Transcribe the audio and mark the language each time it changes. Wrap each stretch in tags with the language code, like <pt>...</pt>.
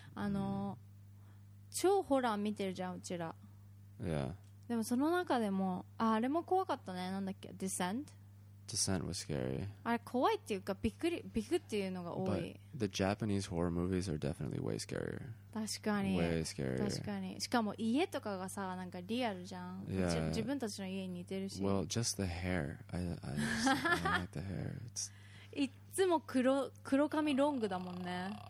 <ja>あの、超ホラー見てるじゃん、うちら。</ja> <en>Yeah.</en> <ja>でもその中でも、あれも怖かったね。なんだっけ?</ja> <en>Descent? Descent was scary.</en> <ja>あれ怖いっていうか、びっくり、びくっていうのが多い。</ja> <en>But the Japanese horror movies are definitely way scarier.</en> <ja>確かに。</ja> <en>Way scarier.</en> <ja>確かに。しかも家とかがさ、なんかリアルじゃん。</ja> <en>Yeah.</en> <ja>自分たちの家に似てるし。</ja> <en>Well, just the hair. I like the hair. It's...</en> <ja>いつも黒髪ロングだもんね</ja>